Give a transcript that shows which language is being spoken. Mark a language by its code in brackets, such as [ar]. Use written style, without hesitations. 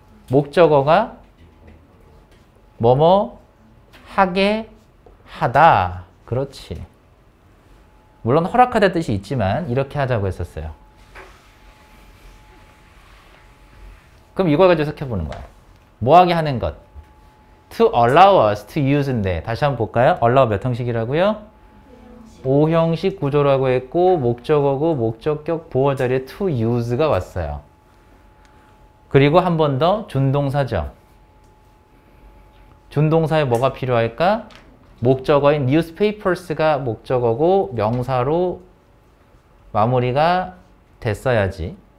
[ko] 목적어가 뭐뭐 하게 하다. 그렇지. 물론 허락하다 뜻이 있지만 이렇게 하자고 했었어요. 그럼 이걸 가지고 해석해보는 거야. 뭐하게 하는 것? [en] To allow us to use인데 [ko] 다시 한번 볼까요? allow 몇 형식이라고요? 5형식 구조라고 했고 목적어고 목적격 보어자리에 to use가 왔어요. 그리고 한 번 더 준동사죠. 준동사에 뭐가 필요할까? 목적어인 newspapers가 목적어고 명사로 마무리가 됐어야지.